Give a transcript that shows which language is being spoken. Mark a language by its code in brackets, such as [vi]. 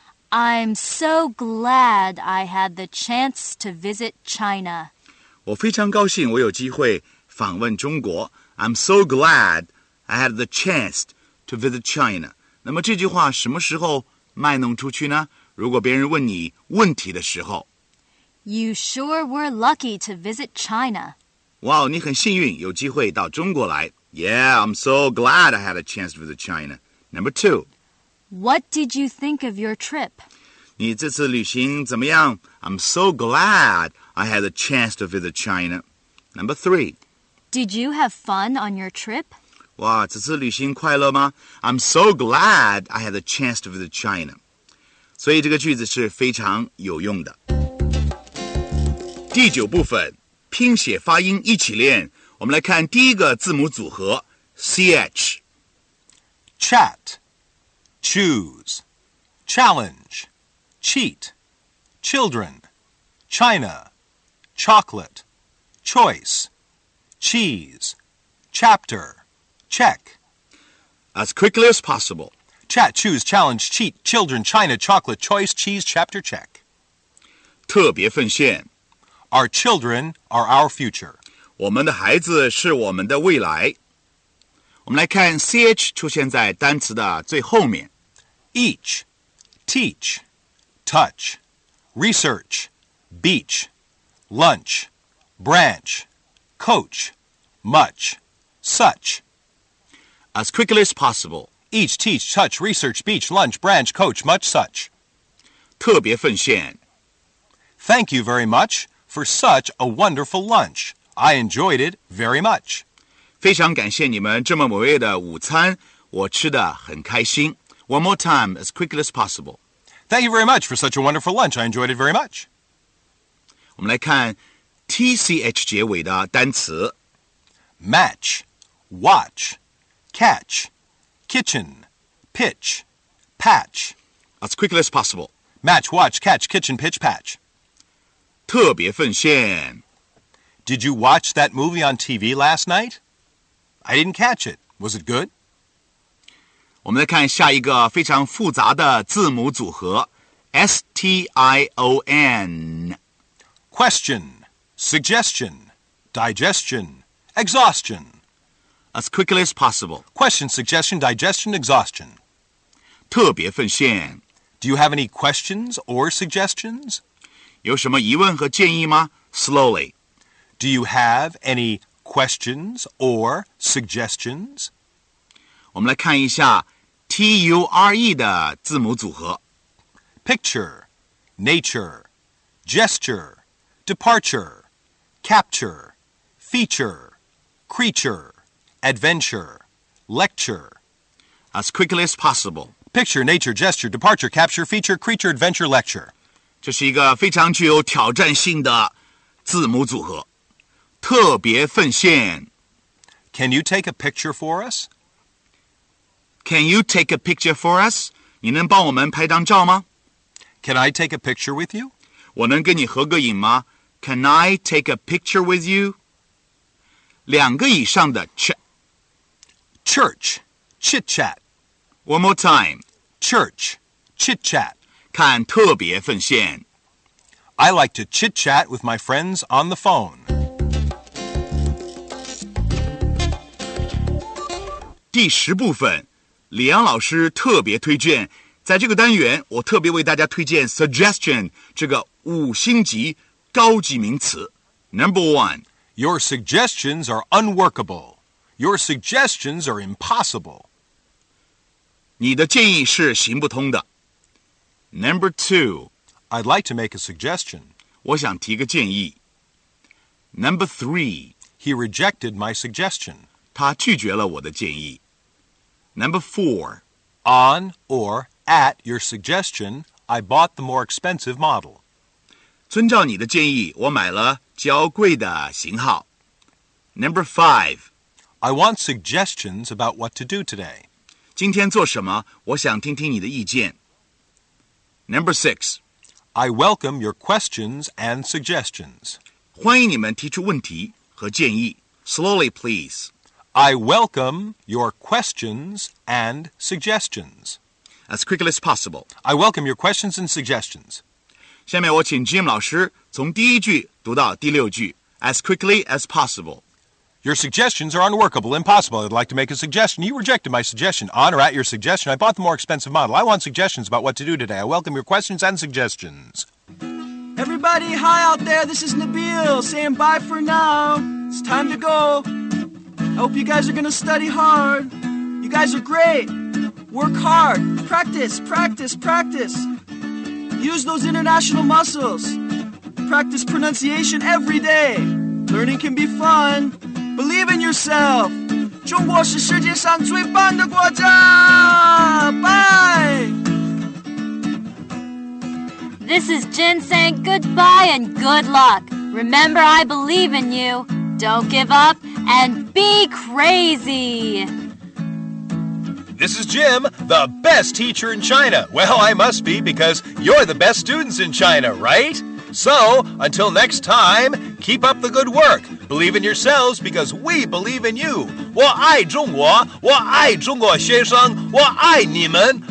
[en] I'm so glad I had the chance to visit China. [zh] 我非常高兴我有机会访问中国。 [en] I'm so glad I had the chance to visit China. [zh] 那么这句话什么时候卖弄出去呢？如果别人问你问题的时候。 [en] You sure were lucky to visit China. [zh] 哇，你很幸运有机会到中国来。 [en] Yeah, I'm so glad I had a chance to visit China. Number two. What did you think of your trip? [zh] 你这次旅行怎么样? [en] I'm so glad I had a chance to visit China. Number three. Did you have fun on your trip? [zh] 哇,这次旅行快乐吗? [en] I'm so glad I had a chance to visit China. [zh] 所以这个句子是非常有用的。第九部分,拼写发音一起练。我们来看第一个字母组合 ,CH. [en] Chat. Choose, challenge, cheat, children, China, chocolate, choice, cheese, chapter, check. As quickly as possible. Chat, choose, challenge, cheat, children, China, chocolate, choice, cheese, chapter, check. [zh] 特别奉献。 [en] Our children are our future. [zh] 我们的孩子是我们的未来。我们来看 CH 出现在单词的最后面。 [en] Each, teach, touch, research, beach, lunch, branch, coach, much, such. As quickly as possible. Each, teach, touch, research, beach, lunch, branch, coach, much, such. [zh] 特别奉献。 [en] Thank you very much for such a wonderful lunch. I enjoyed it very much. [zh] 非常感谢你们这么美味的午餐，我吃得很开心。 [en] One more time, as quickly as possible. Thank you very much for such a wonderful lunch. I enjoyed it very much. [zh] 我们来看 TCH 结尾的单词 [en] Match Watch Catch Kitchen Pitch Patch As quickly as possible Match, watch, catch, kitchen, pitch, patch 特别奉献 Did you watch that movie on TV last night? I didn't catch it. Was it good? [zh] 我们来看下一个非常复杂的字母组合 STION [en] Question Suggestion Digestion Exhaustion As quickly as possible Question, suggestion, digestion, exhaustion 特别奉献 Do you have any questions or suggestions? [zh] 有什么疑问和建议吗 [en] Slowly Do you have any questions or suggestions? [zh] 我们来看一下T-U-R-E 的字母组合 [en] Picture Nature Gesture Departure Capture Feature Creature Adventure Lecture As quickly as possible Picture, Nature, Gesture, Departure, Capture, Feature, Creature, Adventure, Lecture [zh] 这是一个非常具有挑战性的字母组合特别奉献 [en] Can you take a picture for us? Can you take a picture for us? [zh] 你能帮我们拍张照吗? [en] Can I take a picture with you? [zh] 我能跟你合个影吗? [en] Can I take a picture with you? [zh] 两个以上的 [en] Church, chit-chat. One more time. Church, chit-chat. [zh] 看特别奉献。 [en] I like to chit-chat with my friends on the phone. [zh] 第十部分。李阳老师特别推荐在这个单元我特别为大家推荐 suggestion 这个五星级高级名词 [en] Number one Your suggestions are unworkable Your suggestions are impossible [zh] 你的建议是行不通的 [en] Number two I'd like to make a suggestion [zh] 我想提个建议 [en] Number three He rejected my suggestion [zh] 他拒绝了我的建议 [en] Number four, on or at your suggestion, I bought the more expensive model. [zh] 遵照你的建议，我买了较贵的型号。 [en] Number five, I want suggestions about what to do today. [zh] 今天做什么？我想听听你的意见。 [en] Number six, I welcome your questions and suggestions. [zh] 欢迎你们提出问题和建议。 [en] Slowly, please. I welcome your questions and suggestions. As quickly as possible. I welcome your questions and suggestions. [zh] 下面我请 Jim 老师从第一句读到第六句 [en] As quickly as possible. Your suggestions are unworkable, impossible. I'd like to make a suggestion. You rejected my suggestion. On or at your suggestion, I bought the more expensive model. I want suggestions about what to do today. I welcome your questions and suggestions. Everybody, hi out there. This is Nabil saying bye for now. It's time to go. I hope you guys are gonna study hard. You guys are great. Work hard. Practice, practice, practice. Use those international muscles. Practice pronunciation every day. Learning can be fun. Believe in yourself. [zh] 中国是世界上最棒的国家! [en] Bye! This is Jin saying goodbye and good luck. Remember, I believe in you. Don't give up. And be crazy! This is Jim, the best teacher in China. Well, I must be because you're the best students in China, right? So, until next time, keep up the good work. Believe in yourselves because we believe in you. [zh] 我爱中国,我爱中国学生,我爱你们。